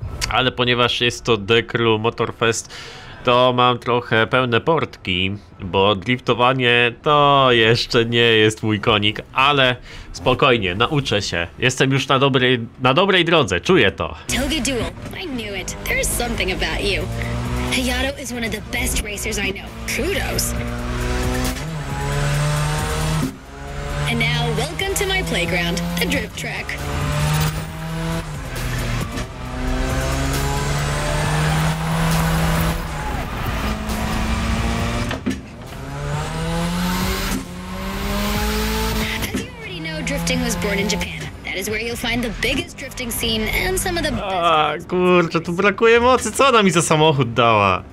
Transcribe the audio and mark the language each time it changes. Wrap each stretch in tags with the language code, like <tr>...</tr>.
<pl>Ale ponieważ jest to The Crew Motorfest, to mam trochę pełne portki, bo driftowanie to jeszcze nie jest mój konik, ale spokojnie, nauczę się. Jestem już na dobrej drodze, czuję to.</pl> <en>Toga Duel, I knew it. There's something about you. Hayato is one of the best racers I know. Kudos. And now welcome to my playground, the drift track. Drifting was born in Japan. That is where you'll find the biggest drifting scene and some of the best.</en> <pl>A kurczę, tu brakuje mocy. Co ona mi za samochód dała?</pl>